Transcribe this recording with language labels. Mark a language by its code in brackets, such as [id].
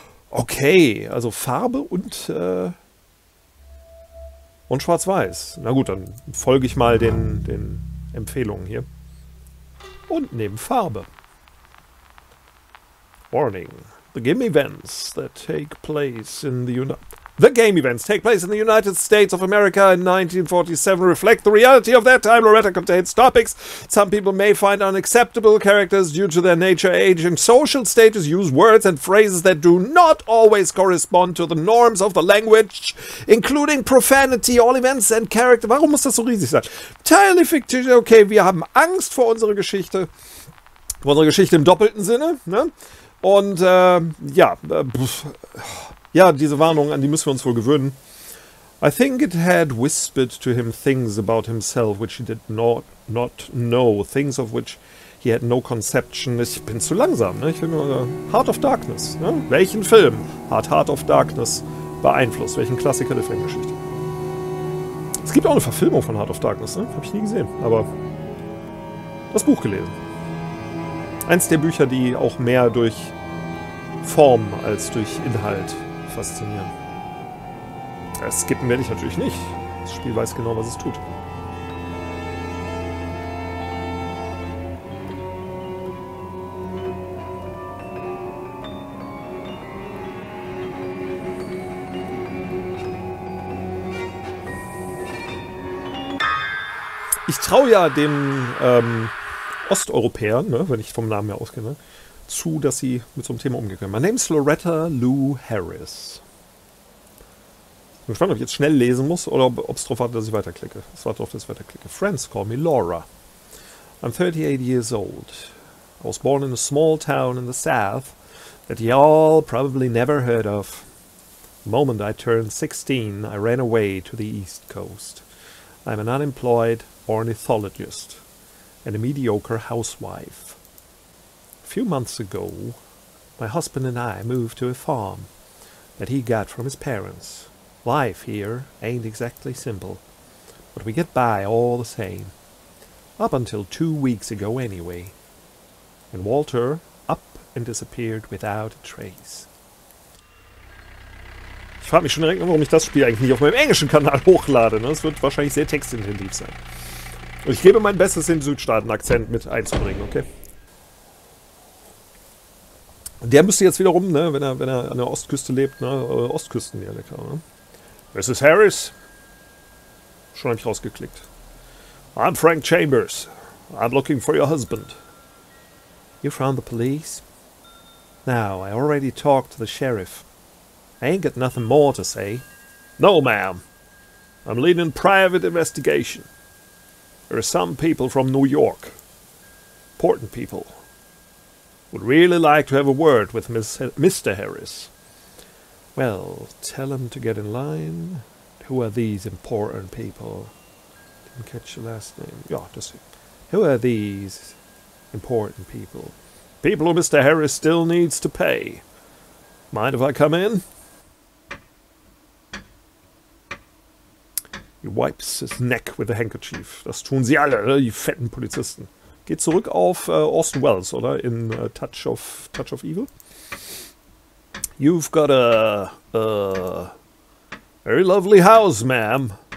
[de] Okay, also Farbe und Schwarz-Weiß. Na gut, dann folge ich mal den Empfehlungen hier. Und nehme Farbe. [en] Warning. The game events that take place in the United States of America in 1947 reflect the reality of that time. Loretta contains topics some people may find unacceptable. Characters, due to their nature, age, and social status, use words and phrases that do not always correspond to the norms of the language, including profanity. All events and characters. [de] Warum muss das so riesig sein? [en] Entirely fictitious. [de] Okay, wir haben Angst vor unserer Geschichte. Vor unserer Geschichte im doppelten Sinne, ne? Und diese Warnung, an die müssen wir uns wohl gewöhnen. [en] I think it had whispered to him things about himself, which he did not know. Things of which he had no conception. [de] Ich bin zu langsam, ne? Ich will nur Heart of Darkness. Ne? Welchen Film hat Heart of Darkness beeinflusst? Welchen Klassiker der Filmgeschichte? Es gibt auch eine Verfilmung von Heart of Darkness, ne? Habe ich nie gesehen, aber das Buch gelesen. Eins der Bücher, die auch mehr durch Form als durch Inhalt faszinieren. Das skippen werde ich natürlich nicht. Das Spiel weiß genau, was es tut. Ich traue ja dem... Osteuropäer, ne, wenn ich vom Namen her ausgehe, ne, zu, dass sie mit so einem Thema umgehen können. [en] My name is Loretta Lou Harris. [de] Ich bin gespannt, ob ich jetzt schnell lesen muss oder ob es darauf wartet, dass ich weiterklicke. Es wartet darauf, dass ich weiterklicke. [en] Friends call me Laura. I'm 38 years old. I was born in a small town in the south that y'all probably never heard of. The moment I turned 16, I ran away to the east coast. I'm an unemployed ornithologist and a mediocre housewife. A few months ago, my husband and I moved to a farm that he got from his parents. Life here ain't exactly simple, but we get by all the same. Up until 2 weeks ago anyway, when Walter up and disappeared without a trace. [de] Ich frag mich schon direkt, warum ich das Spiel eigentlich nicht auf meinem englischen Kanal hochlade. Es wird wahrscheinlich sehr textintensiv sein. Ich gebe mein Bestes, den Südstaaten-Akzent mit einzubringen, okay? Der müsste jetzt wiederum, ne, wenn er an der Ostküste lebt, ne, Ostküsten-Dialekt, ne? [en] Mrs. Harris. [de] Schon habe ich rausgeklickt. [en] I'm Frank Chambers. I'm looking for your husband. You found the police? Now, I already talked to the sheriff. I ain't got nothing more to say. No, ma'am. I'm leading private investigation. There are some people from New York. Important people. Would really like to have a word with Mr. Harris. Well, tell him to get in line. Who are these important people? Didn't catch your last name. Yeah, just... Who are these important people? People who Mr. Harris still needs to pay. Mind if I come in? He wipes his neck with a handkerchief. [de] Das tun sie alle, ne? Die fetten Polizisten. Geht zurück auf Orson Welles, oder? In Touch of Evil. [en] You've got a very lovely house, ma'am.